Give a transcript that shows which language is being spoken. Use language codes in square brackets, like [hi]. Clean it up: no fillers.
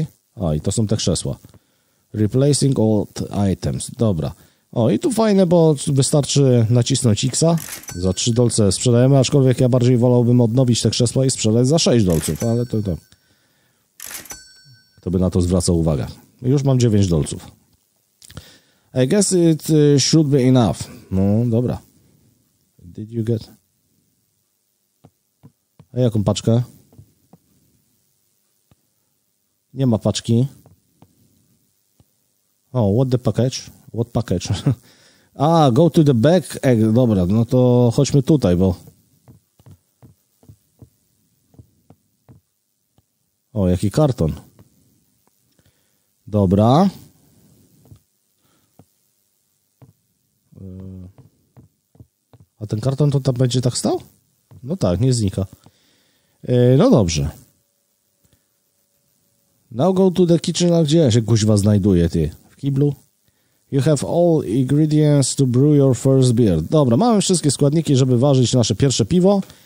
[pl] Okay. A, i to są te krzesła. [en] Replacing old items, [pl] dobra. O, i tu fajne, bo wystarczy nacisnąć X-a. Za 3 dolce sprzedajemy, aczkolwiek ja bardziej wolałbym odnowić te krzesła i sprzedać za 6 dolców, ale to... Kto by na to zwracał uwagę? Już mam 9 dolców. [en] I guess it should be enough. [pl] No, dobra. [en] Did you get... [pl] A jaką paczkę? Nie ma paczki. [en] O, what the package? What package? A, go to the back. [pl] Dobra, no to chodźmy tutaj, bo... O, jaki karton. Dobra. A ten karton to tam będzie tak stał? No tak, nie znika. No dobrze. [en] Now go to the kitchen. [pl] A gdzie się kuźwa znajduje, ty? W kiblu? [en] You have all ingredients to brew your first beer. [pl] Dobra, mamy wszystkie składniki, żeby ważyć nasze pierwsze piwo.